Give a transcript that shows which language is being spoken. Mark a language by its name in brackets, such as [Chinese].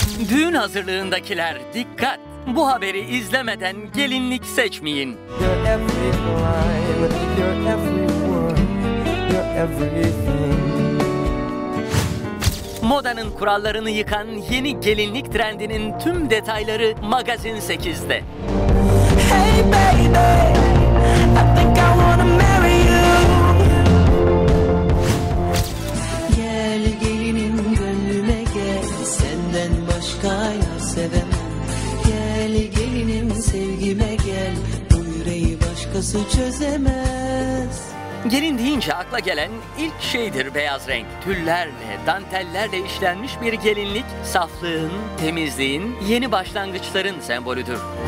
[Turkish] Düğün hazırlığındakiler dikkat! Bu haberi izlemeden gelinlik seçmeyin. Modanın kurallarını yıkan yeni gelinlik trendinin tüm detayları Magazin 8'de. [English] Hey baby, I think I wanna marry you. [Turkish] Gel gelinim gönlüme gel, senden başka yar sevemem. Gel gelinim sevgime gel, bu yüreği başkası çözemez. Gelin deyince akla gelen ilk şeydir beyaz renk. Tüllerle, dantellerle işlenmiş bir gelinlik, saflığın, temizliğin, yeni başlangıçların sembolüdür.